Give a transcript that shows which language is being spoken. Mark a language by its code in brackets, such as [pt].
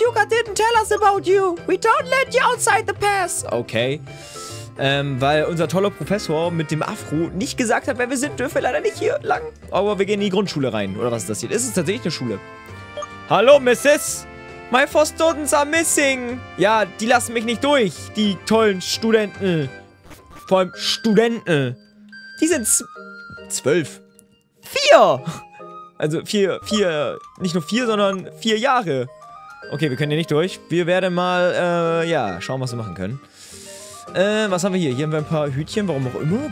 [en] Yuka didn't tell us about you. We don't let you outside the pass. Okay. [de] Weil unser toller Professor mit dem Afro nicht gesagt hat, wer wir sind, dürfen wir leider nicht hier lang. Aber wir gehen in die Grundschule rein. Oder was ist das hier? Ist es tatsächlich eine Schule? Hallo, Mrs. [en] My four students are missing. [de] Ja, die lassen mich nicht durch, die tollen Studenten. Vor allem Studenten. Die sind 12. Vier! Also vier, nicht nur vier, sondern 4 Jahre. Okay, wir können hier nicht durch. Wir werden mal, ja, schauen, was wir machen können. Was haben wir hier? Hier haben wir ein paar Hütchen, warum auch immer.